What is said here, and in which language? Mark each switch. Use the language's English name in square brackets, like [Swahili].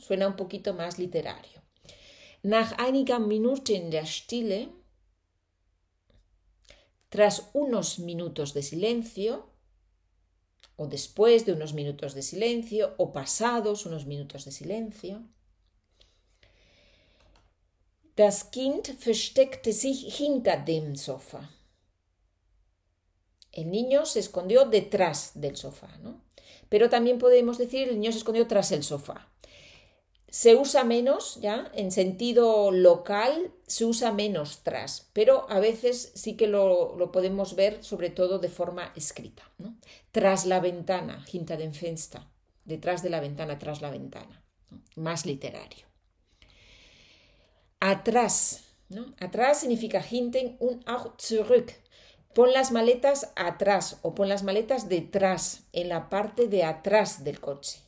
[Spanish] Suena un poquito más literario. [German] Nach einigen Minuten der Stille, [Spanish] tras unos minutos de silencio, o después de unos minutos de silencio, o pasados unos minutos de silencio. [German] Das Kind versteckte sich hinter dem Sofa. [Spanish] El niño se escondió detrás del sofá, ¿no? Pero también podemos decir el niño se escondió tras el sofá. Se usa menos, ¿ya? En sentido local, se usa menos tras, pero a veces sí que lo podemos ver, sobre todo de forma escrita, ¿no? Tras la ventana, [German] hinter dem Fenster, [Spanish] detrás de la ventana, tras la ventana, ¿no? Más literario. Atrás, ¿no? Atrás significa [German] hinten und auch zurück. [Spanish] Pon las maletas atrás o pon las maletas detrás, en la parte de atrás del coche.